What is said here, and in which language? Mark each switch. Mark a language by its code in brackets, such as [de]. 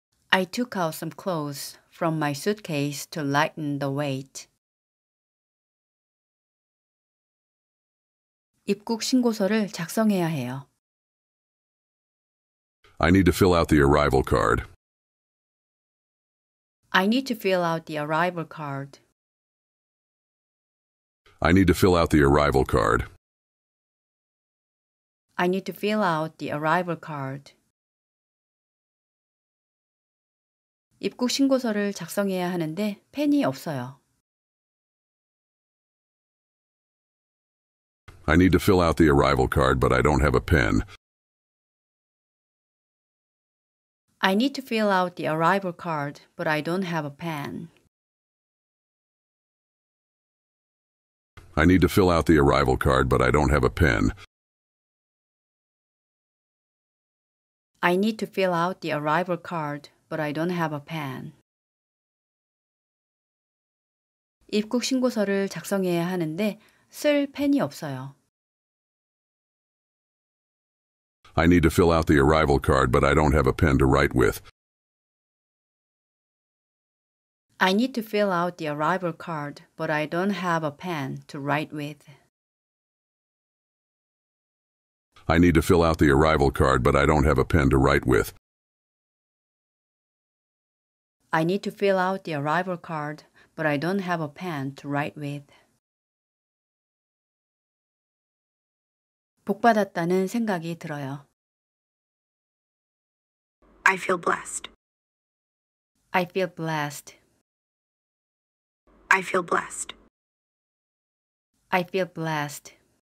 [en] I took out some clothes from my suitcase to lighten the weight. [ko] 입국 신고서를 작성해야 해요. [en] I need to fill out the arrival card. I need to fill out the arrival card. I need to fill out the arrival card. I need to fill out the arrival card. [ko] 입국 신고서를 작성해야 하는데 펜이 없어요. [en] I need to fill out the arrival card, but I don't have a pen. I need to fill out the arrival card, but I don't have a pen. I need to fill out the arrival card, but I don't have a pen. I need to fill out the arrival card, but I don't have a pen. [ko] 입국 신고서를 작성해야 하는데 쓸 펜이 없어요. [en] I need to fill out the arrival card, but I don't have a pen to write with. I need to fill out the arrival card, but I don't have a pen to write with. I need to fill out the arrival card, but I don't have a pen to write with. I need to fill out the arrival card, but I don't have a pen to write with. [ko] 복받았다는 생각이 들어요. [en] I feel blessed. I feel blessed. I feel blessed. I feel blessed.